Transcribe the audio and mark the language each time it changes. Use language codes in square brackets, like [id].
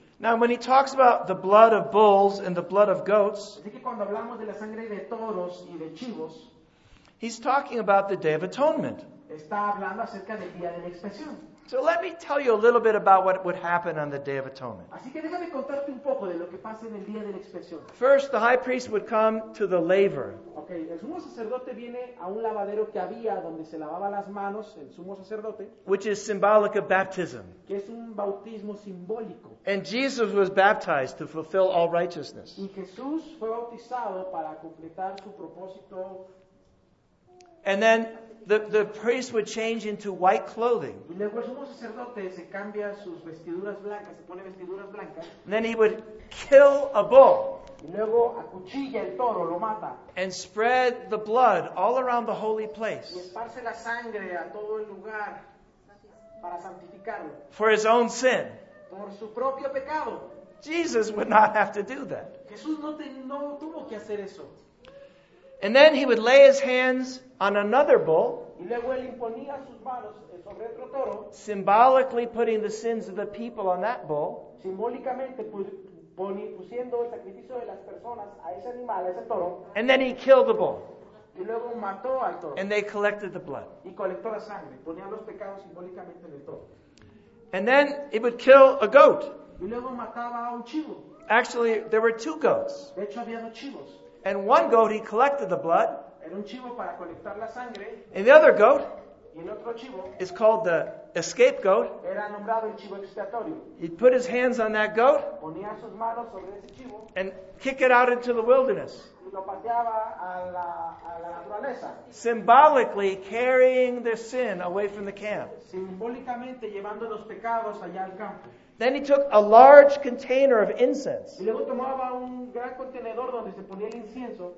[en] Now, when he talks about the blood of bulls and the blood of goats, [es] así que cuando hablamos de la sangre de toros y de chivos, [en] he's talking about the Day of Atonement. [es] Está hablando acerca del día de la expiación. [en] So let me tell you a little bit about what would happen on the Day of Atonement. [es] Así que déjame contarte un poco de lo que pasa en el día de la expiación. [en] First, the high priest would come to the laver. [es] Okay, el sumo sacerdote viene a un lavadero que había donde se lavaba las manos el sumo sacerdote, [en] which is symbolic of baptism. [es] Que es un bautismo simbólico. [en] And Jesus was baptized to fulfill all righteousness. [es] Y Jesús fue bautizado para completar su propósito. [en] And then the priest would change into white clothing. [es] Y luego el sumo sacerdote se cambia sus vestiduras blancas, se pone vestiduras blancas. [en] And then he would kill a bull. [es] Y luego acuchilla el toro, lo mata. [en] And spread the blood all around the holy place. [es] Y esparce la sangre a todo el lugar para santificarlo. [en] For his own sin. [es] Por su propio pecado. [en] Jesus would not have to do that. [es] Jesús no tuvo que hacer eso. [en] And then he would lay his hands on another bull, [es] y luego él imponía sus manos sobre otro toro, [en] symbolically putting the sins of the people on that bull, [es] simbólicamente pusiendo el sacrificio de las personas a ese animal, a ese toro, [en] and then he killed the bull, [es] y luego mató al toro, [en] and they collected the blood, [es] y colectó la sangre, ponía los pecados simbólicamente en el toro. [en] And then he would kill a goat, [es] y luego mataba a un chivo. [en] Actually, there were two goats. [es] De hecho, había dos chivos. [en] And one goat, he collected the blood. [es] Era un chivo para colectar la sangre. [en] And the other goat, It's called the escape goat. [es] Era nombrado el chivo expiatorio. [en] He'd put his hands on that goat. [es] Ponía sus manos sobre ese chivo. [en] And kick it out into the wilderness. [es] Y lo pateaba a la naturaleza. [en] Symbolically carrying their sin away from the camp. [es] Simbólicamente llevando los pecados allá al campo. [en] Then he took a large container of incense. [es] Y luego tomaba un gran contenedor donde se ponía el incienso.